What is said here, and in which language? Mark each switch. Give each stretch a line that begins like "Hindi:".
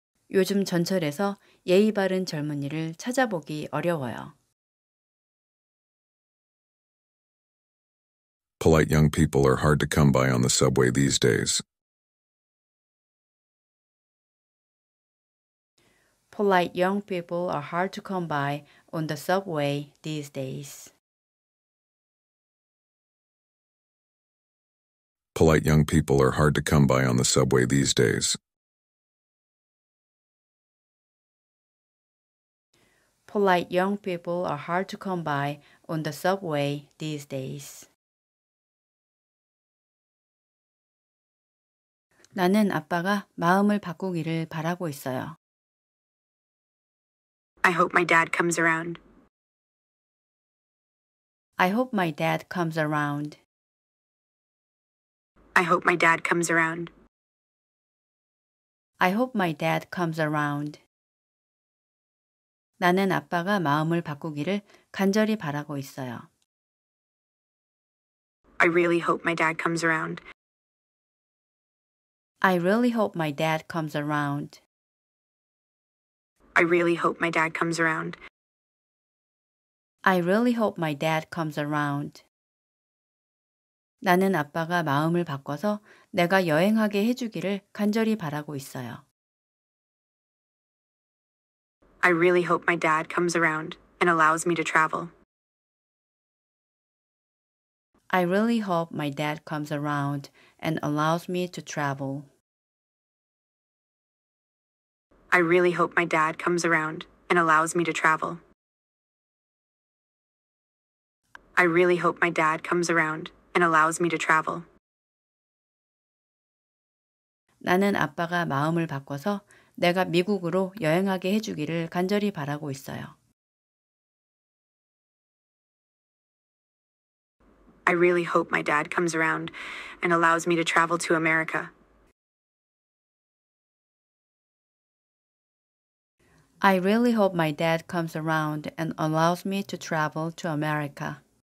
Korean: 요즘 전철에서 예의 바른 젊은이를 찾아보기 어려워요.
English: Polite young people are hard to come by on the subway these days. Polite young people are hard to come by on the subway these days. Polite young people are hard to come by on the subway these days. Polite young people are hard to come by on the subway these days.
Korean: 나는 아빠가 마음을 바꾸기를 바라고 있어요.
English: I hope my dad comes around. I hope my dad comes around. I hope my dad comes around. I hope my dad comes around.
Korean: 나는 아빠가 마음을 바꾸기를 간절히 바라고 있어요.
English: I really hope my dad comes around. I really hope my dad comes around. I really hope my dad comes around. I really hope my dad comes around.
Korean: 나는 아빠가 마음을 바꿔서 내가 여행하게 해주기를 간절히 바라고 있어요.
English: I really hope my dad comes around and allows me to travel. I really hope my dad comes around and allows me to travel. I really hope my dad comes around and allows me to travel. I really hope my dad comes around and allows me to travel.
Korean: 나는 아빠가 마음을 바꿔서 내가 미국으로 여행하게 해주기를 간절히 바라고 있어요.
English: I really hope my dad comes around and allows me to travel to America. I really hope my dad comes around and allows me to travel to America.